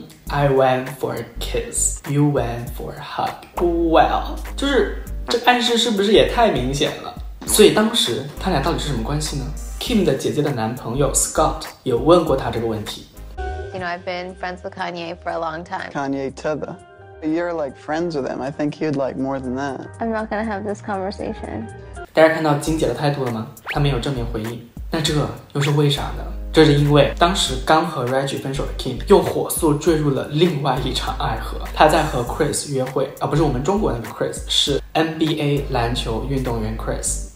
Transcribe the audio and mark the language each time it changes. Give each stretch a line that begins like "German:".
English: I went for a kiss, you went for a hug.
Chinese: Well, 就是这暗示是不是也太明显了？所以当时他俩到底是什么关系呢？ Kim 的姐姐的男朋友 Scott 有问过他这个问题。
English: You know, I've been friends with Kanye for a long time. Kanye Tether. You're like friends with him. I think he'd like more than that. I'm not gonna have this conversation.
Chinese: 大家看到金姐的态度了吗？她没有正面回应。那这又是为啥呢？这是因为当时刚和 Reggie 分手的 Kim 又火速坠入了另外一场爱河。他在和 Chris 约会，不是我们中国那个 Chris， 是 NBA 篮球运动员 Chris。